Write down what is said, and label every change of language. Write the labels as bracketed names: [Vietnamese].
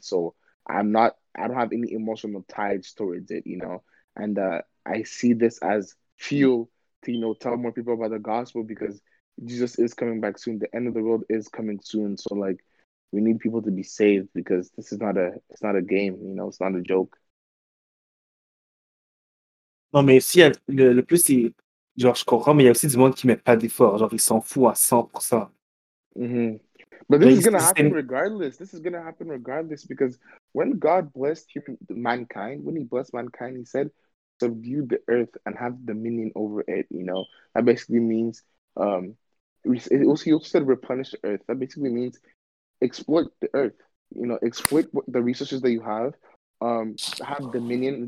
[English] So I don't have any emotional ties towards it, you know. And I see this as fuel to, you know, tell more people about the gospel, because Jesus is coming back soon. The end of the world is coming soon. So, like, we need people to be saved, because this is not a game, you know. It's not a joke. [French] Non, mais si, le plus, c'est, genre, je comprends, mais il y a aussi du monde qui met pas d'effort. Genre, ils s'en foutent à 100%. Mm-hmm. [English] But this is going to happen regardless. This is going to happen regardless, because when God blessed mankind, when he blessed mankind, he said, subdue the earth and have dominion over it, you know. That basically means, he also said replenish the earth. That basically means exploit the earth, you know, exploit the resources that you have, have dominion.